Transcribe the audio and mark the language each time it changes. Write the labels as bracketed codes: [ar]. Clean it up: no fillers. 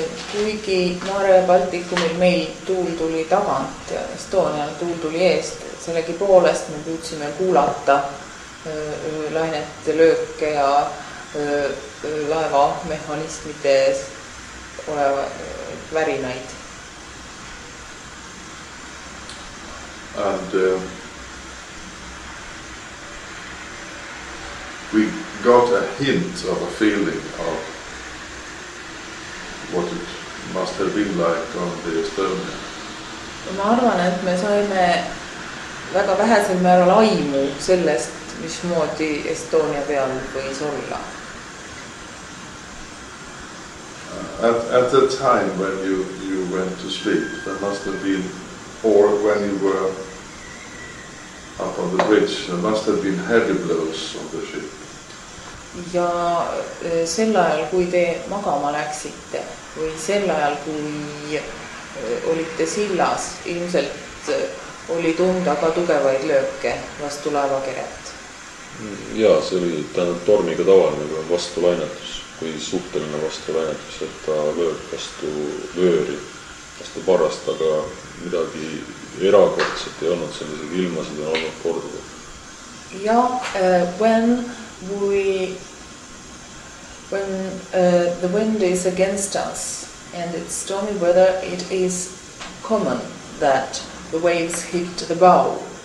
[et] Kuigi Mare Balticumil meil tuul tuli tagant ja Estonial tuul tuli eest, sellegi poolest me püüdsime kuulata lainete lööke ja laeva mehhanismide ees oleva värinaid. [en] And we got a hint of a feeling of what it must have been like on the Estonia. [et] Ma arvan, et me saime väga vähesel määral aimu sellest, mis moodi Estonia peal võis olla. [en] At the time when you went to sleep, there must have been, or when you were up on the bridge, there must have been heavy blows on the ship. [et] Ja sel ajal, kui te magama läksite, või sel ajal, kui olite sillas, ilmselt oli tunda ka tugevaid lööke vastu laevakeret. Jaa, see oli tähendab tormiga tavaline vastulainetus, kui suhteline vastulainetus, et ta lööb vastu vööri, vastu parast, aga midagi erakordset ei olnud sellisega ilma, seda on olnud korduga. [en] Jaa, when the wind is against us and it's stormy weather, it is common that the waves hit the bow.